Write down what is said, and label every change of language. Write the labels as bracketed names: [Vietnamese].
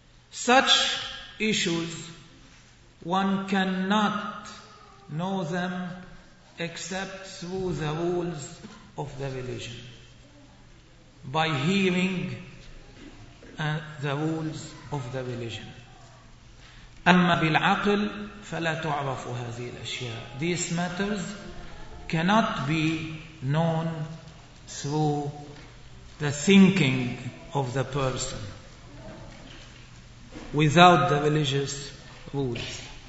[English] Such issues, one cannot know them except through the rules of the religion, by hearing the rules of the religion. [Arabic] أما بالعقل فلا تعرف هذه الأشياء. [English] These matters cannot be known through the thinking of the person without the religious rules.